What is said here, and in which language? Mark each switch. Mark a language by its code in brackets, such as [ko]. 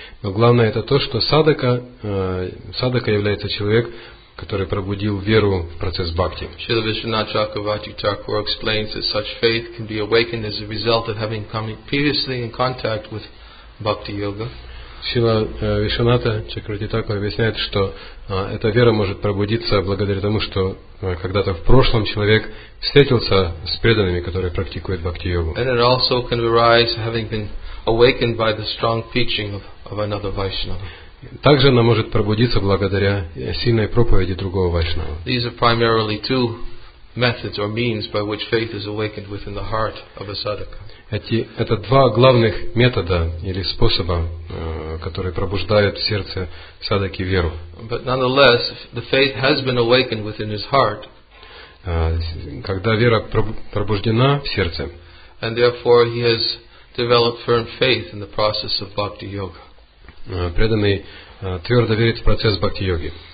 [ru] Но главное это то, что садхака является человек, который пробудил веру в процесс бхакти. [en] Śrīla Viśvanātha Chakravarti Thakura explains that such faith can be awakened as a result of having come previously in contact with bhakti yoga. [ru] Śrīla Viśvanātha Chakravarti Thakura объясняет, что эта вера может пробудиться благодаря тому, что когда-то в прошлом человек встретился с преданными, которые практикуют бхакти-йогу. [en] And it also can arise having been awakened by the strong preaching of another Vaishnava. [ru] Также она может пробудиться благодаря сильной проповеди другого Вайшнава. [en] These are primarily two methods or means by which faith is awakened within the heart of a sadhaka. [ru] Это два главных метода или способа, которые пробуждают в сердце садхаки веру. [en] But nonetheless, the faith has been awakened within his heart. [ru] Когда вера пробуждена в сердце. [en] And therefore he has developed firm faith in the process of bhakti yoga. [ru] Преданный твердо верит в процесс бхакти йоги.